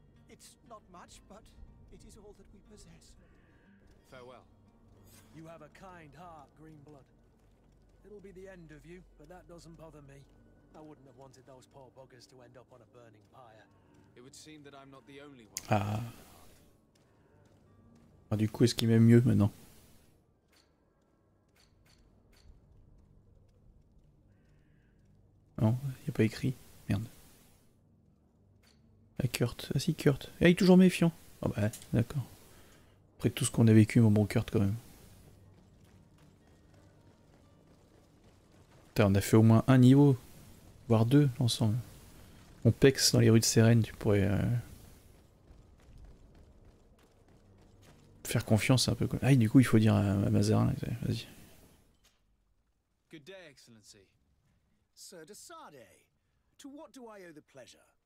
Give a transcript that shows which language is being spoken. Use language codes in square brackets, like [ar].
[en] It's not much, but it is all that we possess. Farewell. You have a kind heart, Greenblood. It'll be the end of you, but that doesn't bother me. I wouldn't have wanted those poor buggers to end up on a burning pyre. It would seem that I'm not the only one. Ah. [fr] Ah, du coup, est-ce qu'il m'aime mieux maintenant? Non, il n'y a pas écrit. Merde. Ah, Kurt. Ah si, Kurt. Ah, il est toujours méfiant. Ah oh, bah, d'accord. Après tout ce qu'on a vécu, mon bon Kurt, quand même. Putain, on a fait au moins un niveau. Voire deux, ensemble. On pex dans les rues de Seren, tu pourrais... faire confiance un peu. Ah, et du coup, il faut dire à Mazarin. Vas-y. [en] Good day, Excellency. Sir de Sade, to what do I owe the pleasure?